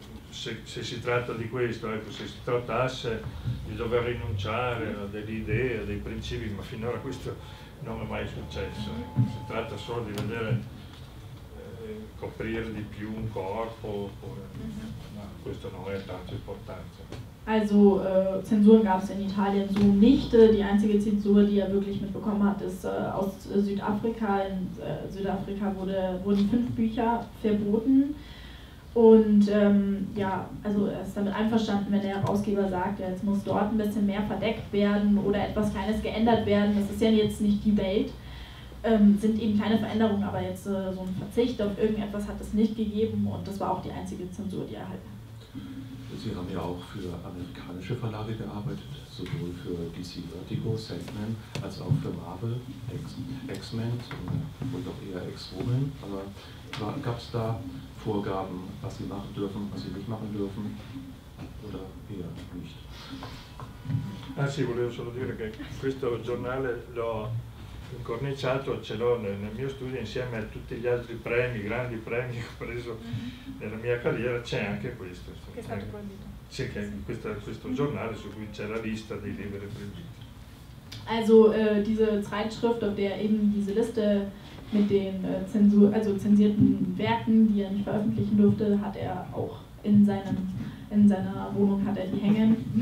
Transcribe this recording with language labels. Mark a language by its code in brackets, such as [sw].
[it] Se si tratta di questo, ecco, se si trattasse di dover rinunciare a delle idee, a dei principi, ma finora questo non è mai successo, ecco. Si tratta solo di vedere coprire di più un corpo, oppure, no, questo non è tanto importante. [de] Also Zensuren gab es in Italien so nicht. Die einzige Zensur, die er wirklich mitbekommen hat, ist aus Südafrika. In Südafrika wurden 5 Bücher verboten. Und ja, also er ist damit einverstanden, wenn der Herausgeber sagt, ja, jetzt muss dort ein bisschen mehr verdeckt werden oder etwas Kleines geändert werden. Das ist ja jetzt nicht die Welt. Sind eben kleine Veränderungen, aber jetzt so ein Verzicht auf irgendetwas hat es nicht gegeben. Und das war auch die einzige Zensur, die er erhalten hat. Sie haben ja auch für amerikanische Verlage gearbeitet, sowohl für DC Vertigo, Sandman, als auch für Marvel, X-Men und auch eher X-Women. Aber gab es da Vorgaben, was Sie machen dürfen, was Sie nicht machen dürfen oder eher nicht? [it] Ah, sì, volevo solo dire che questo giornale l'ho incorniciato, ce l'ho nel mio studio insieme a tutti gli altri premi, grandi premi che ho preso nella mia carriera, c'è anche questo. Che è stato proibito. Sì, questo giornale su cui c'è la lista dei libri proibiti. [de] Also diese Zeitschrift, auf der eben diese Liste mit den Zensur, also zensierten Werken, die er nicht veröffentlichen durfte, hat er auch in seiner Wohnung hat er die hängen.